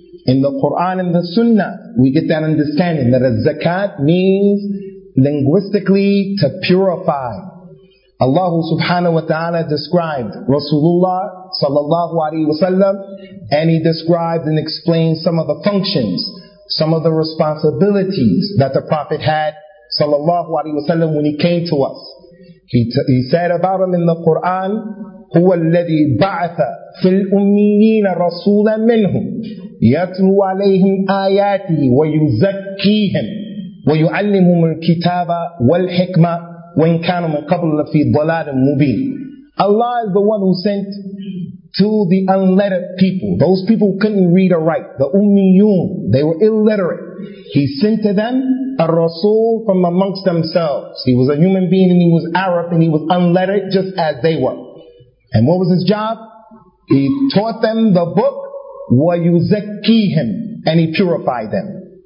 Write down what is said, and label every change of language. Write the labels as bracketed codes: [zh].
[en] In the Quran and the Sunnah, we get that understanding that a zakat means linguistically to purify. Allah subhanahu wa ta'ala described Rasulullah sallallahu alayhi wa sallam, and he described and explained some of the functions, some of the responsibilities that the Prophet had sallallahu alayhi wa sallam when he came to us. He said about him in the Quran, [ar] هو الذي بعث في الأميين رسولا منهم يتلو عليهم آياته ويزكيهم ويعلمهم الكتاب والحكمة وَإِنْ كَانُوا مِنْ قَبْلُ لَفِي ضَلَالٍ مُبِينٍ [en] Allah is the one who sent to the unlettered people. Those people who couldn't read or write. The ummiyun. They were illiterate. He sent to them a rasul from amongst themselves. He was a human being and he was Arab and he was unlettered just as they were. And what was his job? He taught them the book وَيُزَكِّيهِمْ And he purified them.